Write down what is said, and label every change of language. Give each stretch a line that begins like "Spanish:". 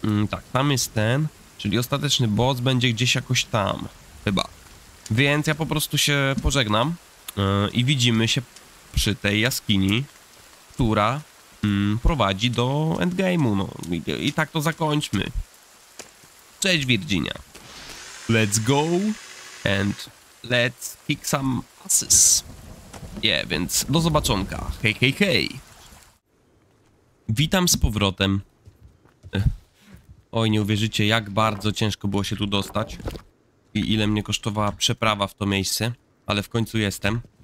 Polish: Tak, tam jest ten, czyli ostateczny boss będzie gdzieś jakoś tam chyba. Więc ja po prostu się pożegnam i widzimy się przy tej jaskini, która prowadzi do endgame'u, no i tak to zakończmy. Cześć, Virginia.
English: Let's go and let's kick some asses.
Polish: Yeah, więc do zobaczonka. Hej, hej, hej. Witam z powrotem. Oj, nie uwierzycie, jak bardzo ciężko było się tu dostać i ile mnie kosztowała przeprawa w to miejsce, ale w końcu jestem.